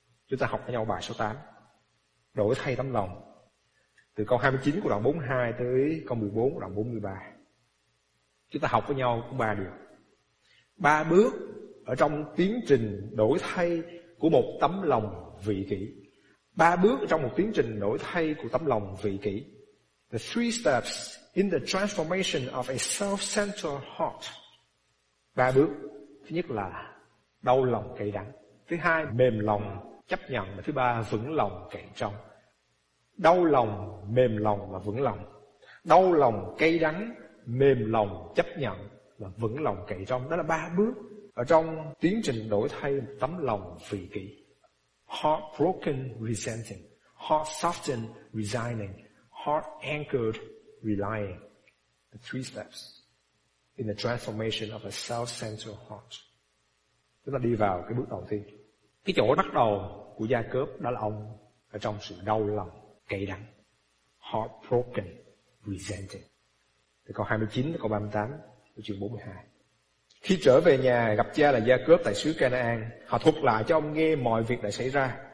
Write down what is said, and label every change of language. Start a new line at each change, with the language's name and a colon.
Vietnamese: Chúng ta học với nhau bài số 8, đổi thay tấm lòng, từ câu 29 của đoạn 42 tới câu 14 của đoạn 43. Chúng ta học với nhau cũng ba điều, ba bước ở trong tiến trình đổi thay của một tấm lòng vị kỷ. Ba bước trong một tiến trình đổi thay của tấm lòng vị kỷ.
English: The three steps in the transformation of a self-centered heart.
Vietnamese: Ba bước. Thứ nhất là đau lòng cậy đắng. Thứ hai, mềm lòng chấp nhận. Và thứ ba, vững lòng cậy trong. Đau lòng, mềm lòng và vững lòng. Đau lòng cay đắng, mềm lòng chấp nhận và vững lòng cậy trong. Đó là ba bước ở trong tiến trình đổi thay một tấm lòng vị kỷ.
English: Heart broken, resenting. Heart softened, resigning. Heart anchored, relying. The three steps. in the transformation of a self-centered heart.
Vietnamese: Chúng ta đi vào cái bước đầu tiên. Cái chỗ bắt đầu của Gia-cốp đó là ông ở trong sự đau lòng, cay đắng,
English: heartbroken, resented.
Vietnamese: Thì câu 29, câu 38, câu chương 42. Khi trở về nhà gặp cha là Gia-cốp tại xứ Canaan, họ thuật lại cho ông nghe mọi việc đã xảy ra.